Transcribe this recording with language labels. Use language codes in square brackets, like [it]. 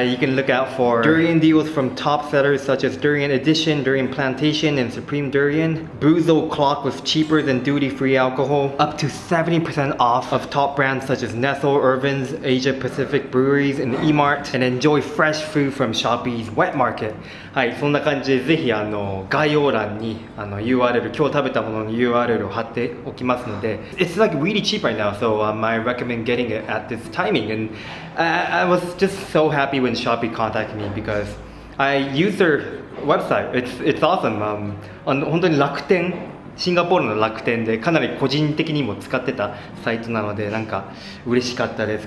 [en] You can look out for durian deals from top sellers such as Durian Edition, Durian Plantation, and Supreme Durian. Boozo Clock with cheaper than duty-free alcohol. Up to 70% off of top brands such as Nestle, Irvins, Asia Pacific Breweries, and E-Mart. And enjoy fresh food from Shopee's wet market. [ja] はい、そんな感じでぜひ概要欄にURL、今日食べたものの URL を貼っておきますので。 [en] It's like really cheap right now, so I recommend getting it at this timing. And I was just so happy when Shopee contacted me because I use their website. It's awesome. [ja] 本当に楽天、シンガポールの楽天でかなり個人的にも使ってたサイトなので、なんか嬉しかったです。